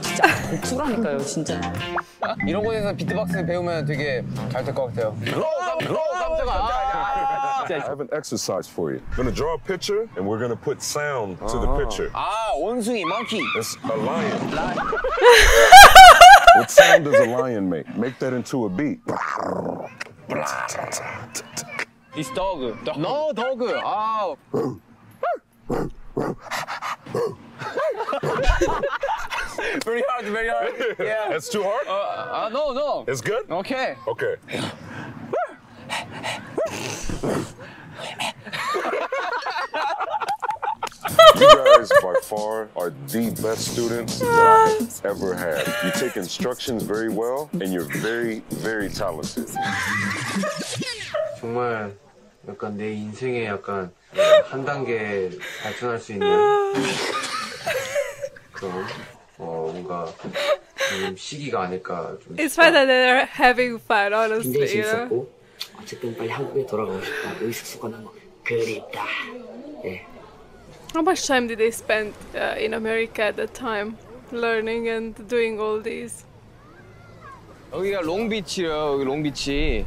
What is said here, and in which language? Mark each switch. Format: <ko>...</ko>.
<ko>진짜 목소리라니까요, 진짜. 이런 곳에서 비트박스 배우면 되게 잘 될 것 같아요. 깜짝아.</ko> <en>I have an exercise for you. I'm gonna draw a picture and we're gonna put sound to the picture.</en> <ko>Ah, 원숭이, monkey.</ko> <en>It's a lion. What sound does a lion make? Make that into a beat. It's dog. No, dog. Very hard. Yeah. That's too hard? No. It's good? Okay. Okay. You guys, by far, are the best students I've ever had. You take instructions very well, and you're very, very talented.</en> <ko>정말 약간 내 인생에 약간 한 단계 발전할 수 있는 그런 뭔가 좀 시기가 아닐까 좀.</ko> <en>It's fine that they're having fun, honestly.</en> <ko>긴장이 있었고 어쨌든 빨리 한국에 돌아가고 싶다. 의식숙원한 거 그립다. 예.</ko> <en>How much time did they spend in America at that time, learning and doing all these?</en> <ko>여기가 롱비치예요, 여기 롱비치.</ko>